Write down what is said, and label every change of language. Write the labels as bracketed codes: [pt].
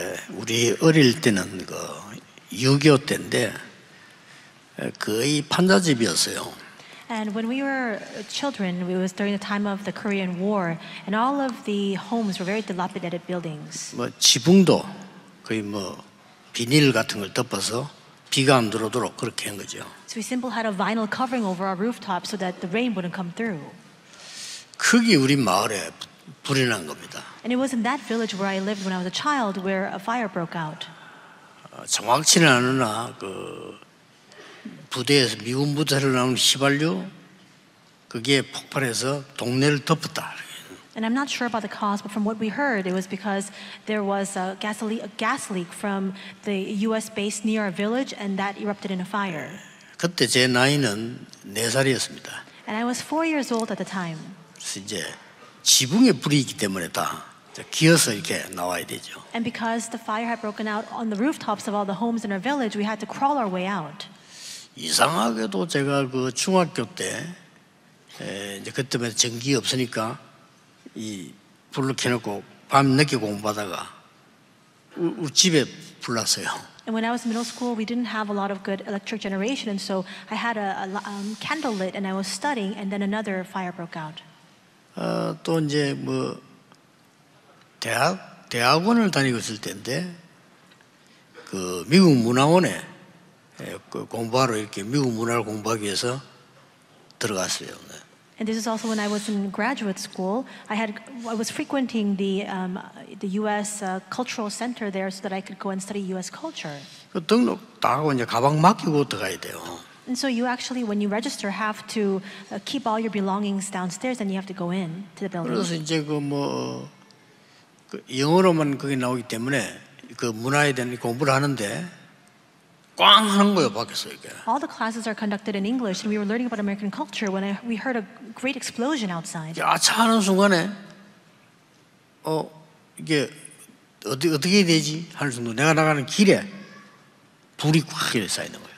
[ko] 우리 어릴 때는 그 6.25 때인데 거의 판자집이었어요. [en] And when we were children, it was during the time of the Korean War, and all of the homes were very dilapidated buildings. [ko] 뭐 지붕도 거의 뭐 비닐 같은 걸 덮어서 비가 안 들어오도록 그렇게 한 거죠. [en] So we simply had a vinyl covering over our rooftop so that the rain wouldn't come through. [ko] 그게 우리 마을에 불이 난 겁니다. [en] And it was in that village where I lived when I was a child where a fire broke out. [ko] 정확치는 않으나 그 부대에서 미군 부대로 나온 휘발유 그게 폭발해서 동네를 덮었다. [en] And I'm not sure about the cause, but from what we heard, it was because there was a gas leak from the U.S. base near our village, and that erupted in a fire. [ko] 그때 제 나이는 네 살이었습니다. [en] And I was 4 years old at the time. [ko] 이제 지붕에 불이 있기 때문에 다 기어서 이렇게 나와야 되죠. [en] And because the fire had broken out on the rooftops of all the homes in our village, we had to crawl our way out. [ko] 이상하게도 제가 그 중학교 때 이제 그때 전기 없으니까 이 불을 켜놓고 밤 늦게 공부하다가 우리 집에 불났어요. [en] And when I was in middle school, we didn't have a lot of good electric generation, and so I had a candle lit, and I was studying, and then another fire broke out. [ko] 또 이제 뭐 대학원을 다니고 있을 때인데 그 미국 문화원에 공부하러 이렇게 미국 문화를 공부하기 위해서 들어갔어요. [en] And this is also when I was in graduate school. I was frequenting the U.S. cultural center there so that I could go and study U.S. culture. [ko] 그 등록 다 하고 이제 가방 맡기고 들어가야 돼요. [en] And so you actually, when you register, have to keep all your belongings downstairs, and you have to go in to the building. [ko] 그래서 이제 그 뭐 그 영어로만 거기 나오기 때문에 그 문화에 대한 공부를 하는데. 꽝 하는 거예요, 밖에서 이게. [en] All the classes are conducted in English, and we were learning about American culture when we heard a great explosion outside. [ko] 야, 차는 순간에, 이게 어떻게 되지? 하는 순간 내가 나가는 길에 불이 꽉 쌓이는 거예요.